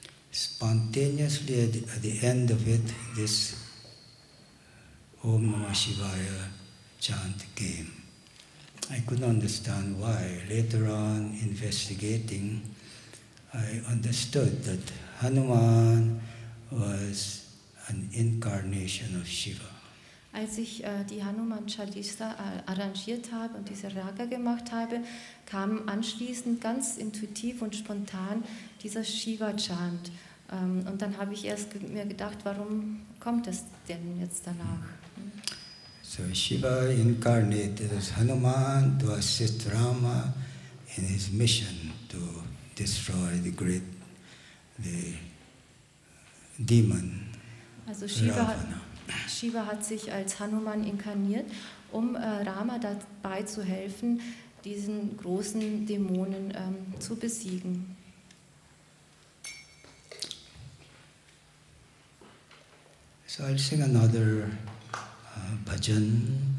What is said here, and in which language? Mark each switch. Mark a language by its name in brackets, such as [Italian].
[English] Spontaneously, at the end of it, this Om Namah Shivaya chant came. I couldn't understand why. Later on, investigating, I understood that Hanuman was an incarnation of Shiva. [German] Als ich die Hanuman Chalisa arrangiert habe und diese Raga gemacht habe, kam anschließend ganz intuitiv und spontan dieser Shiva-Chant. Und dann habe ich erst mir gedacht, warum kommt das denn jetzt danach? [English] So Shiva incarnated as Hanuman to assist Rama in his mission to destroy the great the demon. [German] Also Shiva hat sich als Hanuman inkarniert, um Rama dabei zu helfen, diesen großen Dämonen zu besiegen. [English] So I'll sing another bhajan.